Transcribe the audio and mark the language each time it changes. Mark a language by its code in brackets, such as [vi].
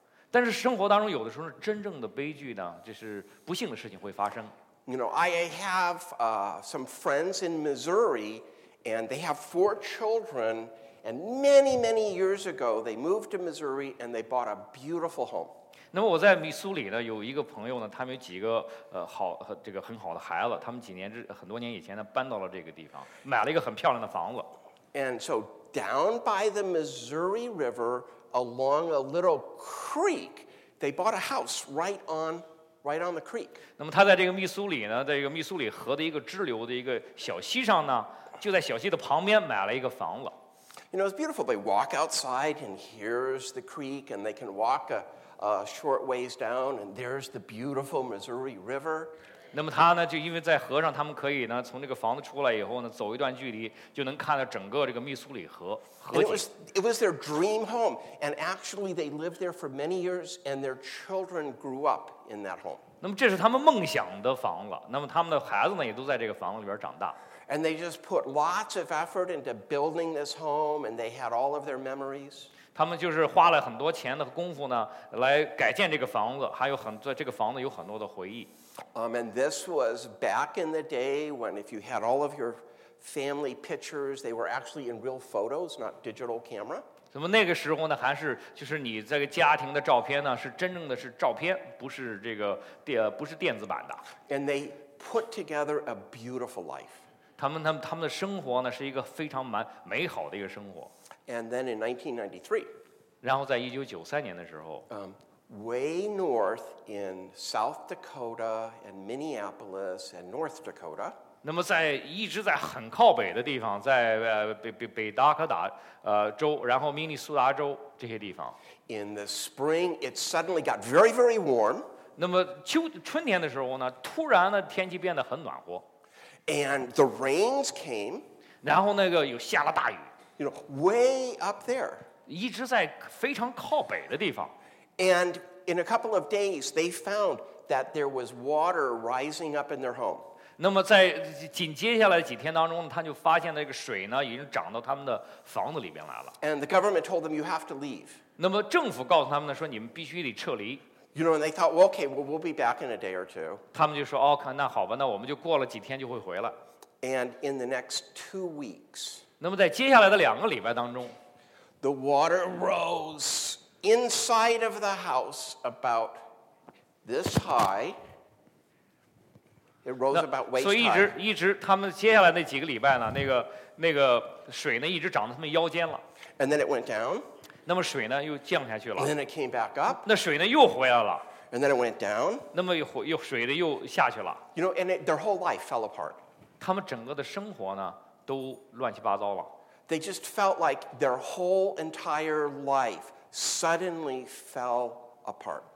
[zh] 但是生活当中有的时候真正的悲剧呢，就是不幸的事情会发生。 [en] You know, I have some friends in Missouri, and they have 4 children. And many, many years ago, they moved to Missouri and they bought a beautiful home. [zh] 那么我在密苏里呢，有一个朋友呢，他们有几个这个很好的孩子，他们很多年以前呢，搬到了这个地方，买了一个很漂亮的房子。 [en] And so down by the Missouri River, along a little creek, they bought a house right on the creek. [zh] 那么他在这个密苏里呢，在这个密苏里河的一个支流的一个小溪上呢，就在小溪的旁边买了一个房子。 [en] You know, it's beautiful. They walk outside, and here's the creek, and they can walk a short ways down, and there's the beautiful Missouri River. [zh] 那么他呢，就因为在河上，他们可以呢，从这个房子出来以后呢，走一段距离，就能看到整个这个密苏里河河景。 [en] It was their dream home, and actually, they lived there for many years, and their children grew up in that home. [zh] 那么这是他们梦想的房子，那么他们的孩子呢，也都在这个房子里边长大。 [en] And they just put lots of effort into building this home, and they had all of their memories. [zh] 他们就是花了很多钱的功夫呢，来改建这个房子，还有这个房子有很多的回忆。 [en] And this was back in the day when, if you had all of your family pictures, they were actually in real photos, not digital camera. [zh] 那么那个时候呢，还是就是你这个家庭的照片呢，是真正的是照片，不是这个不是电子版的。 [en] And they put together a beautiful life. [zh] 他们的生活呢是一个非常美好的一个生活。 [en] And then in 1993, [zh] 然后在1993年的时候 [en] ，way north in South Dakota and Minneapolis and North Dakota, [zh] 那么在一直在很靠北的地方，在北达科达州，然后明尼苏达州这些地方 [en] ，in the spring it suddenly got very very warm, [zh] 那么春天的时候呢，突然呢天气变得很暖和。 [en] And the rains came. [zh] 然后那个又下了大雨。 [en] You know, way up there. [zh] 一直在非常靠北的地方。 [en] And in a couple of days, they found that there was water rising up in their home. [zh] 那么在紧接下来几天当中，他就发现那个水呢，已经涨到他们的房子里边来了。 [en] And the government told them, "You have to leave." [zh] 那么政府告诉他们呢，说你们必须得撤离。 [en] You know, and they thought, well, okay, well, we'll be back in a day or two. [zh] 他们就说，哦，那好吧，那我们就过了几天就会回来。 [en] And in the next 2 weeks, [zh] 那么在接下来的两个礼拜当中 [en] the water rose inside of the house about this high. It rose about waist high. [zh] 所以一直他们接下来那几个礼拜呢，那个水呢一直涨到他们腰间了。 [en] And then it went down. [zh] 那么水呢又降下去了。 [en] And then it came back up. [zh] 那水呢又回来了。 [en] And then it went down. [zh] 那么又水呢又下去了。 [en] You know, and their whole life fell apart. [zh] 他们整个的生活呢都乱七八糟了。 [en] They just felt like their whole entire life suddenly fell apart.